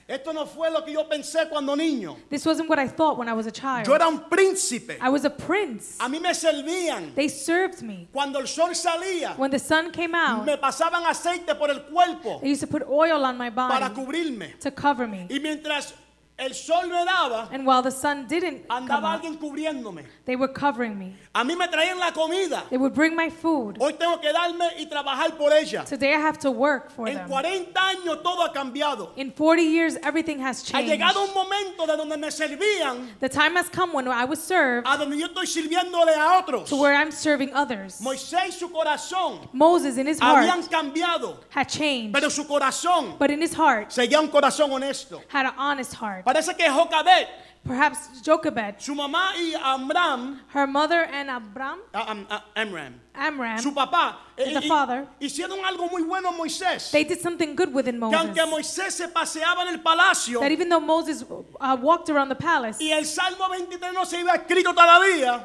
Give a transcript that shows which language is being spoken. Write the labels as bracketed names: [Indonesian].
[Spanish] Esto no fue lo que yo pensé cuando niño. [English] This wasn't what I thought when I was a child. [Spanish] Yo era un príncipe. [English] I was a prince. [Spanish] A mí me servían. [English] They served me. [Spanish] Cuando el sol salía. [English] When the sun came out. [Spanish] Me pasaban aceite por el cuerpo. [English] They used to put oil on my body. [Spanish] Para cubrirme. [English] To cover me. [Spanish] Y mientras el sol me daba, [English] and while the sun didn't [Spanish] andaba [English] come [Spanish] alguien cubriéndome. [English] They were covering me. [Spanish] A mí me traían la comida. [English] They would bring my food. [Spanish] Hoy tengo que darme y trabajar por ella. [English] Today I have to work for en them. [Spanish] 40 años todo ha cambiado. [English] In 40 years everything has changed. [Spanish] Ha llegado un momento de donde me servían. [English] The time has come when I was served. [Spanish] A donde yo estoy sirviéndole a otros. [English] To where I'm serving others. [Spanish] Moisés, su corazón, [English] Moses in his heart [Spanish] habían cambiado, [English] had changed. [Spanish] Pero su corazón, [English] but in his heart [Spanish] seguía un corazón honesto, [English] had an honest heart. [Spanish] Parece que Jocabet, [English] perhaps Jochebed, [Spanish] su mamá y Amram, [English] her mother and Abram, Amram, [Spanish] su papá, [English] and the father, [Spanish] hicieron algo muy bueno Moisés. [English] They did something good within Moses. [Spanish] Que aunque Moisés se paseaba en el palacio, [English] that even though Moses walked around the palace, [Spanish] y el Salmo 23 no se había escrito todavía,